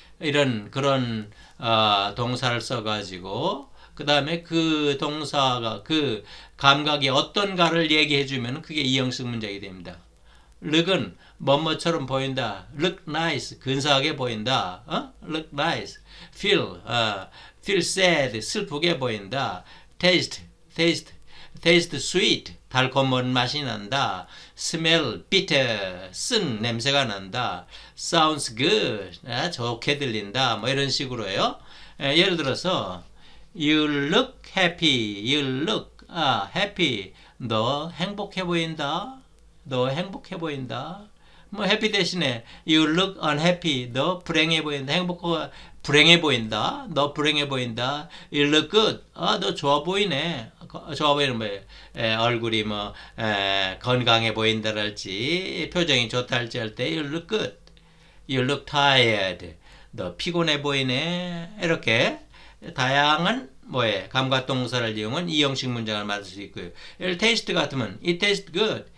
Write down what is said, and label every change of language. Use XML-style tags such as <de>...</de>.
<ko>이런 그런 동사를 써가지고 그 다음에 그 동사가 그 감각이 어떤가를 얘기해 주면 그게 2형식 문장이 됩니다. look은 뭐뭐처럼 보인다. look nice 근사하게 보인다. look nice feel feel sad 슬프게 보인다. taste sweet 달콤한 맛이 난다. smell bitter 쓴 냄새가 난다. sounds good 좋게 들린다. 뭐 이런 식으로요. 예를 들어서</ko> <en>you look happy. you look happy.</en> <ko>너 행복해 보인다. 너 행복해 보인다. 뭐</ko> <en>happy</en> <ko>대신에</ko> <en>you look unhappy.</en> <ko>너 불행해 보인다. 행복하고 불행해 보인다. 너 불행해 보인다.</ko> <en>you look good.</en> <ko>너 좋아 보이네. 좋아 보이는 뭐예요? 얼굴이 뭐 건강해 보인다랄지 표정이 좋다랄지 할 때</ko> <en>you look good, you look tired,</en> <ko>너 피곤해 보이네. 이렇게 다양한 뭐에 감각동사를 이용한 2형식 문장을 만들 수 있고요. 예를</ko> <en>taste</en> <ko>같으면</ko> <en>it tastes good.</en>